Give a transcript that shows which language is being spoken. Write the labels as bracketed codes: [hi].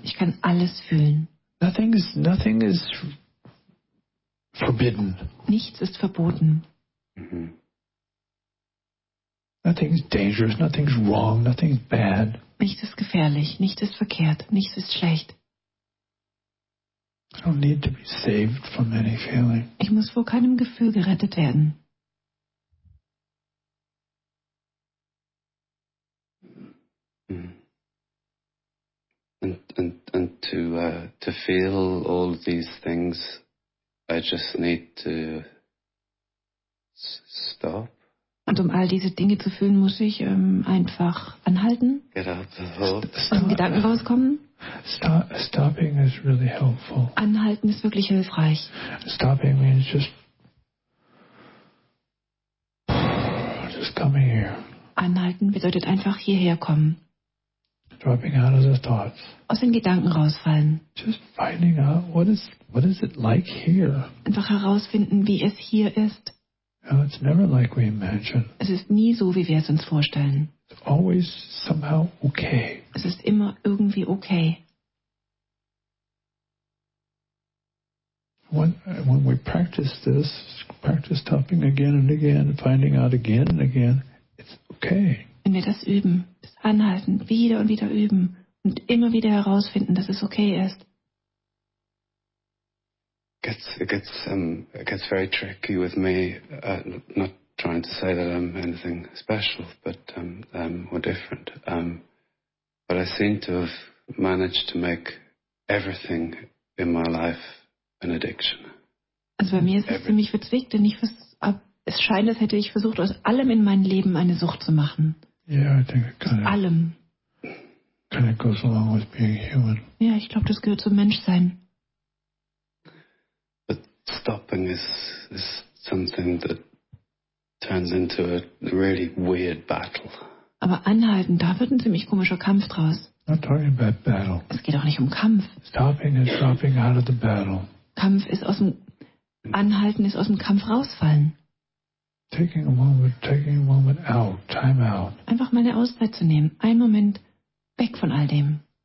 [de] Ich kann alles fühlen. [en] Nothing is forbidden. [de] Nichts ist verboten. Mm-hmm. [en] Nothing's dangerous, nothing's wrong, nothing's bad. [de] Nichts ist gefährlich, nichts ist verkehrt, nichts ist schlecht. [en] I don't need to be saved from any feeling. [de] Ich muss vor keinem Gefühl gerettet werden. [en] And to feel all these things, I just need to stop. [de] Und um all diese Dinge zu fühlen, muss ich einfach anhalten. [en] Stop. [de] Und Gedanken rauskommen. [en] Stopping is really helpful. [de] Anhalten ist wirklich hilfreich. [en] Stopping means just coming here. [de] Anhalten bedeutet einfach hierher kommen. [en] Dropping out of the thoughts. [de] Aus den Gedanken rausfallen. [en] Just finding out what is it like here. [de] Einfach herausfinden, wie es hier ist. [en] Now, it's never like we imagine. [de] Es ist nie so, wie wir es uns vorstellen. [en] It's always somehow okay. [de] Es ist immer irgendwie okay. [en] When we practice this, practice stopping again and again, finding out again and again, it's okay. [de] Wenn wir das üben, das Anhalten, wieder und wieder üben und immer wieder herausfinden, dass es okay ist. [en] It gets very tricky with me, not trying to say that I'm anything special, but or different. But I seem to have managed to make everything in my life an addiction. [de] Also bei mir ist es ziemlich witzig, denn es scheint, als hätte ich versucht, aus allem in meinem Leben eine Sucht zu machen. [en] Yeah, I think it kind of, [de] allem. [en] Kind of goes along with being human. [de] Ja, ich glaube, das gehört zum Menschsein. [en] But stopping is something that turns into a really weird battle. [de] Aber anhalten, da wird ein ziemlich komischer Kampf draus. [en] Not talking about battle. [de] Es geht auch nicht um Kampf. [en] Stopping is dropping out of the battle. [de] Kampf ist aus dem Anhalten ist aus dem Kampf rausfallen. [en] Taking a moment out, time out. [de] Einfach mal eine Auszeit zu nehmen, einen Moment weg von all dem.